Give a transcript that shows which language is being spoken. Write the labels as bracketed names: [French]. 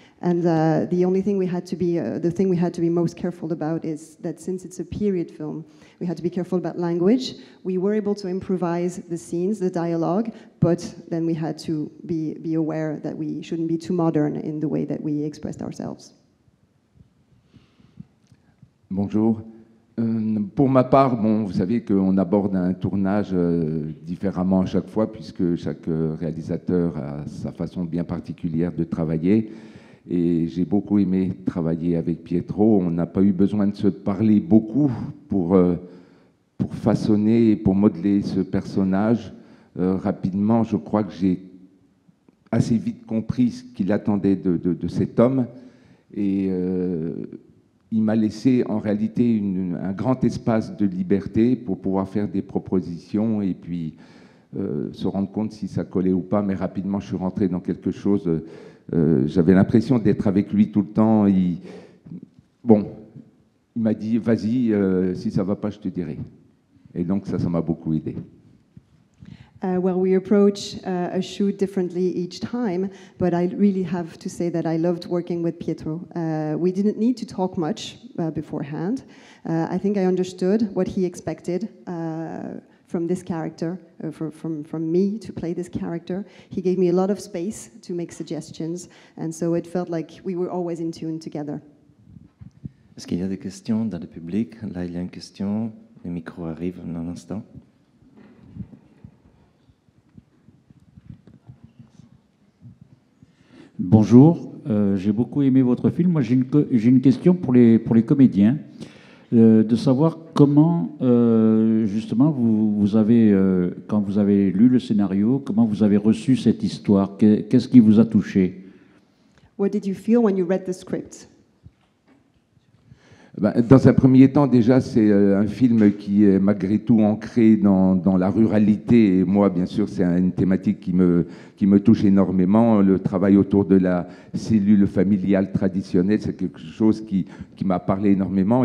[English] And the only thing we had to be, the thing we had to be most careful about is that since it's a period film, we had to be careful about language. We were able to improvise the scenes, the dialogue, but then we had to be aware that we shouldn't be too modern in the way that we expressed ourselves. [French] Bonjour. Pour ma part, bon, vous savez qu'on aborde un tournage différemment à chaque fois, puisque chaque réalisateur a sa façon bien particulière de travailler. Et j'ai beaucoup aimé travailler avec Pietro. On n'a pas eu besoin de se parler beaucoup pour façonner et pour modeler ce personnage. Rapidement, je crois que j'ai assez vite compris ce qu'il attendait de cet homme. Et il m'a laissé en réalité un grand espace de liberté pour pouvoir faire des propositions et puis se rendre compte si ça collait ou pas. Mais rapidement, je suis rentré dans quelque chose... j'avais l'impression d'être avec lui tout le temps. Il m'a dit, vas-y, si ça ne va pas, je te dirai. Et donc, ça m'a beaucoup aidé. [English] Well, we approach a shoot differently each time, but I really have to say that I loved working with Pietro. We didn't need to talk much beforehand. I think I understood what he expected from this character, from me to play this character. He gave me a lot of space to make suggestions, and so it felt like we were always in tune together. [French] Est-ce qu'il y a des questions dans le public? Là, il y a une question. Le micro arrive en un instant. Bonjour. J'ai beaucoup aimé votre film. Moi, j'ai une question pour les comédiens. de savoir comment, justement, quand vous avez lu le scénario, comment vous avez reçu cette histoire, qu'est-ce qui vous a touché? [English] What did you feel when you read the script? [French] Dans un premier temps, déjà, c'est un film qui est malgré tout ancré dans la ruralité. Et moi, bien sûr, c'est une thématique qui me touche énormément. Le travail autour de la cellule familiale traditionnelle, c'est quelque chose qui m'a parlé énormément.